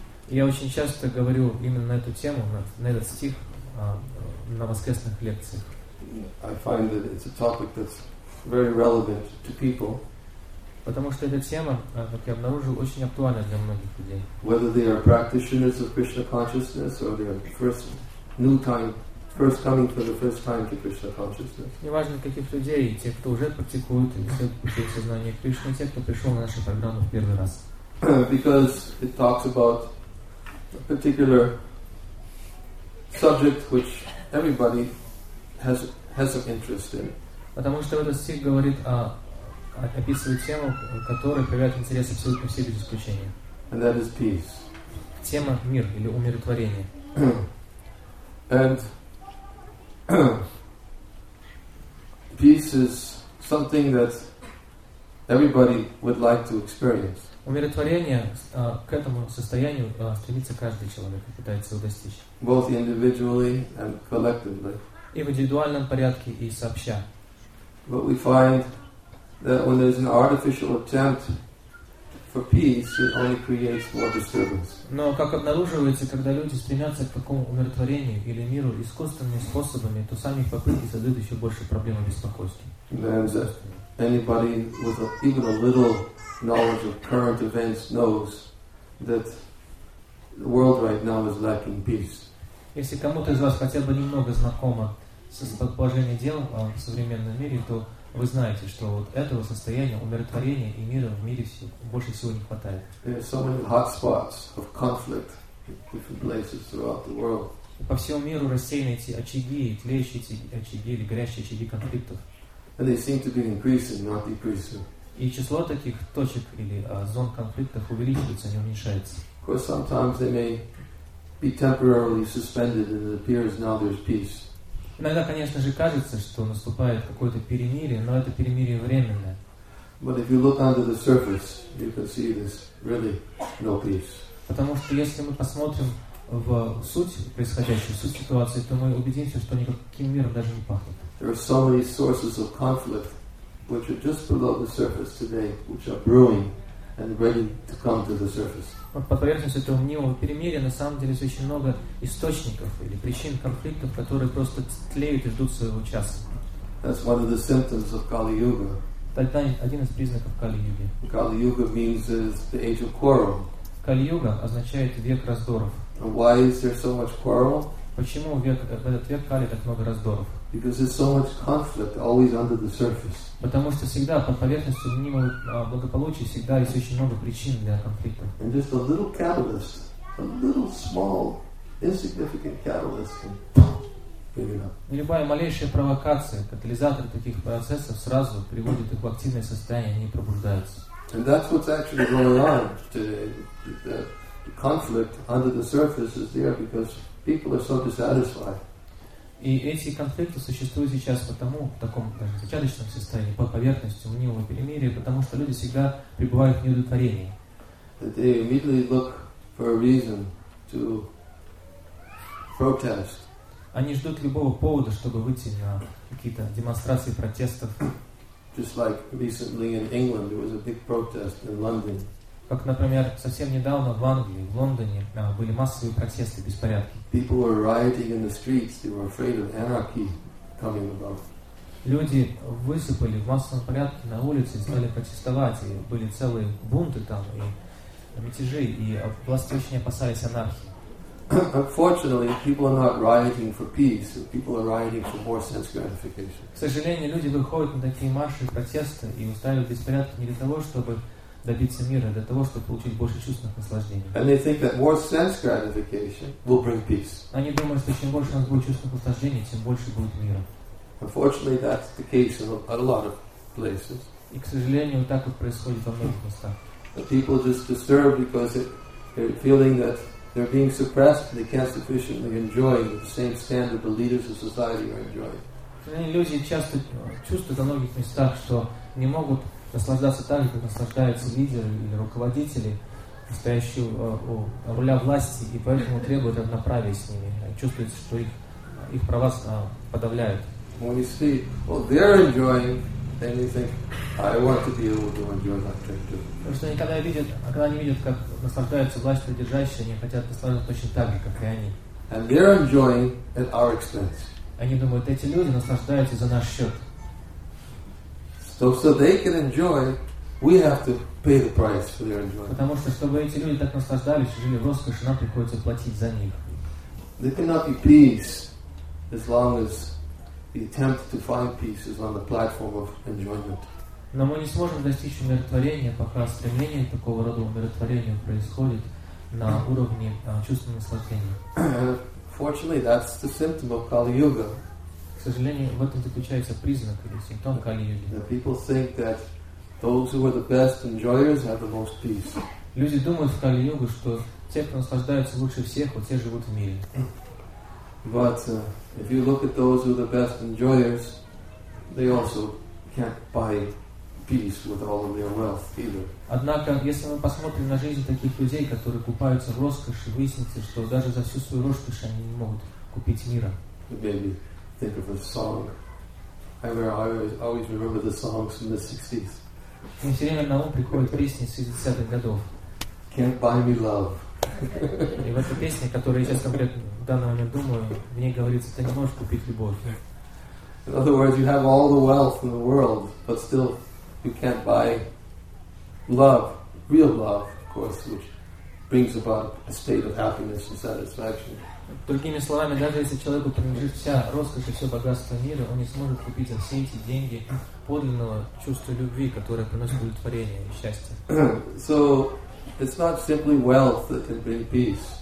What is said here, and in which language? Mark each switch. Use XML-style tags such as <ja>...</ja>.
<ru>Я очень часто говорю именно на эту тему, на этот стих на воскресных лекциях.</ru> <en>I find that it's a topic that's very relevant to people.</en> <ru>Потому что эта тема, как я обнаружил, очень актуальна для многих людей.</ru> <en>Whether they are practitioners of Krishna consciousness or they are first new time, first coming for the first time to Krishna consciousness.</en> <ru>Неважно, каких людей, те, кто уже практикует или все пути сознания Кришны, те, кто пришел на нашу программу в первый раз.</ru> <en>Because it talks about a particular subject which everybody has some interest in.</en> <ru>Потому что этот стих говорит о описывает тему, которая проявляет интерес абсолютно все без исключения.</ru> <en>And that is peace.</en> <ru>Тема мир или умиротворение.</ru> <en>And peace is something that everybody would like to experience.</en> <ru>Умиротворение к этому состоянию стремится каждый человек, пытается его достичь.</ru> <en>Both individually and collectively.</en> <ru>И в индивидуальном порядке, и сообща.</ru> <en>But we find that when there's an artificial attempt for peace, it only creates more disturbance.</en> <ru>Но как обнаруживается, когда люди стремятся к такому умиротворению или миру искусственными способами, то сами их попытки создают еще больше проблем и беспокойства.</ru> <en>Anybody with even a little knowledge of current events knows that the world right now is lacking peace.</en> <ru>Если кому-то из вас хотя бы немного знакомо с положением дел в современном мире, то вы знаете, что вот этого состояния умиротворения и мира в мире все, больше всего не хватает.</ru> <en>There are so many hot spots of conflict in different places throughout the world.</en> <ru>По всему миру рассеяны эти очаги, тлеющие эти очаги или горящие очаги конфликтов.</ru> <en>And they seem to be increasing, not decreasing.</en> <ru>И число таких точек или зон конфликтов увеличивается, не уменьшается.</ru> <en>Of course, sometimes they may be temporarily suspended, and it appears now there's peace.</en> <ru>Иногда, конечно же, кажется, что наступает какое-то перемирие, но это перемирие временное.</ru> <en>But if you look under the surface, you can see there's really no peace.</en> <ru>Потому что если мы посмотрим в суть происходящего, в суть ситуации, то мы убедимся, что никаким миром даже не пахнет.</ru> <en>There are so many sources of conflict which are just below the surface today, which are brewing and ready to come to the surface.</en> <ru>Вот по поверхности этого мнимого перемирия на самом деле есть очень много источников или причин конфликтов, которые просто тлеют и ждут своего часа.</ru> <en>That's one of the symptoms of Kali Yuga.</en> <ru>Тогда один из признаков Кали-юги.</ru> <en>Kali-yuga means the age of quarrel.</en> <ru>Кали-юга означает век раздоров.</ru> <en>Why is there so much quarrel?</en> <ru>Почему в этот век Кали так много раздоров?</ru> <en>Because there's so much conflict always under the surface.</en> <ru>Потому что всегда под поверхностью мнимого благополучия всегда есть очень много причин для конфликта.</ru> <en>And just a little catalyst, a little small, insignificant catalyst can</en> <ru>И любая малейшая провокация, катализатор таких процессов сразу приводит их в активное состояние, они пробуждаются.</ru> <en>And that's what's actually going on today. The conflict under the surface is there because people are so dissatisfied.</en> <ru>И эти конфликты существуют сейчас потому, в таком даже зачаточном состоянии, под поверхностью мнимого перемирия, потому что люди всегда пребывают в неудовлетворении.</ru> <en>That they immediately look for a reason to protest.</en> <ru>Они ждут любого повода, чтобы выйти на какие-то демонстрации протестов.</ru> <en>Just like recently in England, there was a big protest in London.</en> <ru>Как, например, совсем недавно в Англии, в Лондоне, были массовые протесты, беспорядки.</ru> <en>People were rioting in the streets. They were afraid of anarchy coming about.</en> <ru>Люди высыпали в массовом порядке на улице, стали протестовать, и были целые бунты там, и мятежи, и власти очень опасались анархии.</ru> <en>Unfortunately, people are not rioting for peace. People are rioting for more sense gratification.</en> <ru>К сожалению, люди выходят на такие марши протеста и устраивают беспорядки не для того, чтобы добиться мира, а для того, чтобы получить больше чувственных наслаждений.</ru> <en>And they think that more sense gratification will bring peace.</en> <ru>Они думают, что чем больше у нас будет чувственных наслаждений, тем больше будет мира.</ru> <en>Unfortunately, that's the case in a lot of places.</en> <ru>И к сожалению, вот так вот происходит во многих местах.</ru> <en>The people just disturbed because they're feeling that they're being suppressed and they can't sufficiently enjoy the same standard the leaders of society are enjoying.</en> <ru>Люди часто чувствуют на многих местах, что не могут наслаждаться так, как наслаждаются лидеры или руководители, стоящие у руля власти, и поэтому требуют равноправия с ними. Чувствуется, что их права подавляют.</ru> <en>When you see, well, they're enjoying, then you think, I want to be able to enjoy that thing too.</en> <ru>Потому что когда они видят, как наслаждаются власть придержащие, они хотят наслаждаться точно так же, как и они.</ru> <en>And they're enjoying at our expense.</en> <ru>Они думают, эти люди наслаждаются за наш счет.</ru> <en>So they can enjoy, we have to pay the price for their enjoyment.</en> <ru>Потому что, чтобы эти люди так наслаждались, жили в роскоши, нам приходится платить за них.</ru> <en>There cannot be peace as long as the attempt to find peace is on the platform of enjoyment.</en> <ru>Но мы не сможем достичь умиротворения, пока стремление такого рода умиротворения происходит на уровне чувственного наслаждения.</ru> <en>Fortunately, that's the symptom of Kali-yuga.</en> <ru>К сожалению, в этом заключается признак или симптом Кали-юги.</ru> <en>The people think that those who are the best enjoyers have the most peace.</en> <ru>Люди думают в Кали-юге, что те, кто наслаждаются лучше всех, вот те живут в мире.</ru> <en>But if you look at those who are the best enjoyers, they also can't buy peace with all of their wealth either.</en> <ru>Однако, если мы посмотрим на жизнь таких людей, которые купаются в роскоши, выяснится, что даже за всю свою роскошь они не могут купить мира.</ru> <en>Maybe think of a song. I always remember the songs from the 60s.</en> <ru>Мне все время на ум приходят песни 60-х годов.</ru> <en>Can't buy me love.</en> <ru>И в этой песне, которую я сейчас в данный момент думаю, в ней говорится, ты не можешь купить любовь.</ru> <en>In other words, you have all the wealth in the world, but still you can't buy love, real love, of course, which brings about a state of happiness and satisfaction.</en> <ru>Другими словами, даже если человеку принадлежит вся роскошь и все богатство мира, он не сможет купить за все эти деньги подлинного чувства любви, которое приносит удовлетворение и счастье.</ru> <en>So it's not simply wealth that can bring peace.</en>